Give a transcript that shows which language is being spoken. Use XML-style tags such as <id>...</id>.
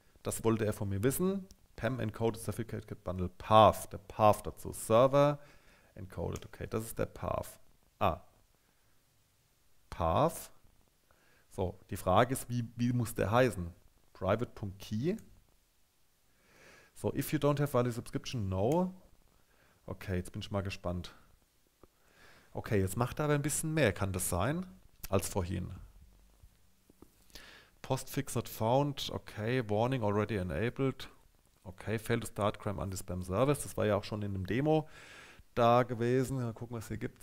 <de>Das wollte er von mir wissen.</de> <en>PEM encoded certificate bundle path.</en> <de>Der Path dazu.</de> <en>Server encoded.</en> <de>Okay, das ist der Path. Ah. Path. So, die Frage ist, wie muss der heißen? Private.key.</de> <en>So, if you don't have valid subscription, no.</en> <de>Okay, jetzt bin ich mal gespannt. Okay, jetzt macht er aber ein bisschen mehr, kann das sein, als vorhin.</de> <en>Postfix not found, okay, warning already enabled.</en> <de>Okay,</de> <en>failed to start CRM anti-spam service,</en> <de>das war ja auch schon in dem Demo da gewesen. Mal gucken, was es hier gibt.</de>